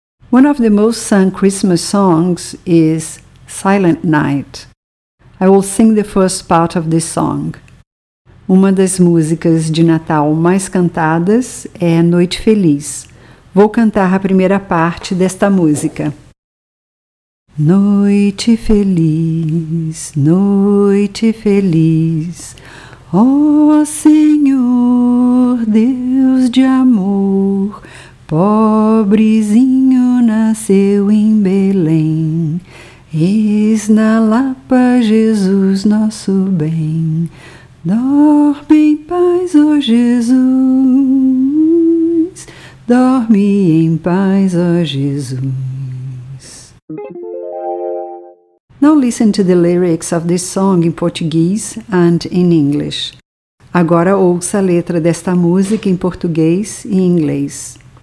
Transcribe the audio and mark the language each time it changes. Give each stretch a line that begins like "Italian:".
English: One of the most sung Christmas songs is Silent Night. I will sing the first part of this song.
Portuguese: Uma das músicas de Natal mais cantadas é Noite Feliz. Vou cantar a primeira parte desta música. Noite feliz, noite feliz, ó Senhor Deus de amor, pobrezinho nasceu em Belém, eis na Lapa Jesus nosso bem, dorme em paz, ó Jesus, dorme em paz, ó Jesus.
English: Now listen to the lyrics of this song in Portuguese and in English.
Portuguese: Agora ouça a letra desta música em português e em inglês.